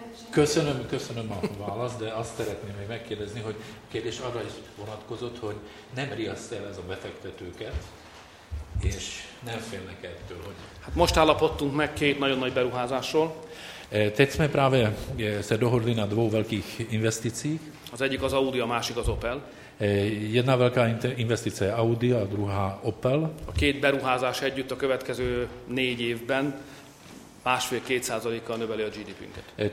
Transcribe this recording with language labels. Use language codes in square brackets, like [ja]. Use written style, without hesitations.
[hu] Köszönöm, köszönöm a választ, de azt szeretném még megkérdezni, hogy kérdés arra is vonatkozott, hogy nem riaszt el ez a befektetőket, és nem félnek ettől, hogy... Hát most állapodtunk meg két nagyon nagy beruházásról. [cs] Teď jsme právě se dohodli na dvou velkých investicích. [hu] Az egyik az Audi, a másik az Opel. [cs] Jedna velká investice je Audi, a druhá Opel. [hu] A két beruházás együtt a következő négy évben 1,5-2%-kal növeli a GDP-nket.